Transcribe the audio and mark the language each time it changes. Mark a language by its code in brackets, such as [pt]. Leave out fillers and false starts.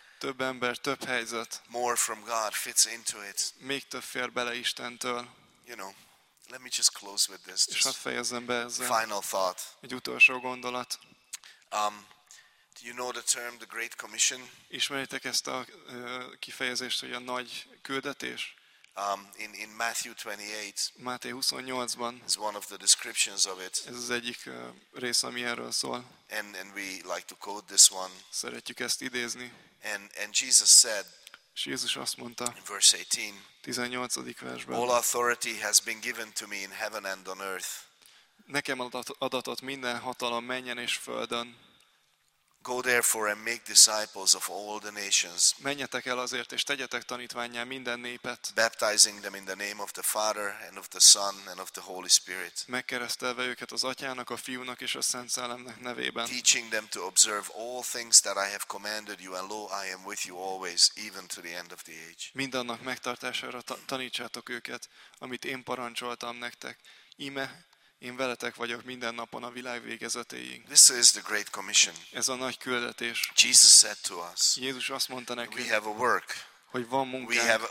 [hu] Több ember, több helyzet. [en] More from God fits into it. [hu] Még több fér bele Istentől. [en] You know, let me just close with this. [hu] És hadd fejezzem be ezzel. [en] Final thought. [hu] Egy utolsó gondolat. [en] Do you know the term the Great Commission? [hu] Ismeritek ezt a kifejezést, hogy a nagy küldetés? [en] In Matthew 28. [hu] Máté 28-ban. [en] Is one of the descriptions of it. [hu] Ez az egyik rész, ami erről szól. [en] And we like to quote this one. [hu] Szeretjük ezt idézni. [en] And Jesus said. [hu] És Jézus azt mondta. [en] In verse 18. [hu] 18. versben. [en] All authority has been given to me in heaven and on earth. [hu] Nekem adatott minden hatalom mennyen és földön. [en] Go therefore and make disciples of all the nations. [hu] Menjetek el azért és tegyetek tanítvánnyá minden népet. [en] Baptizing them in the name of the Father and of the Son and of the Holy Spirit. [hu] Megkeresztelve őket az Atyának, a Fiúnak és a Szent Szellemnek nevében. [en] Teaching them to observe all things that I have commanded you, and lo, I am with you always, even to the end of the age. [hu] Mindannak megtartására tanítsátok őket, amit én parancsoltam nektek. Íme, én veletek vagyok minden napon a világ végezetéig. [en] This is the Great Commission. [hu] Ez a nagy küldetés. [en] Jesus said to us. [hu] Jézus azt mondta nekünk. [en] We have a work. [hu] Hogy van munkánk.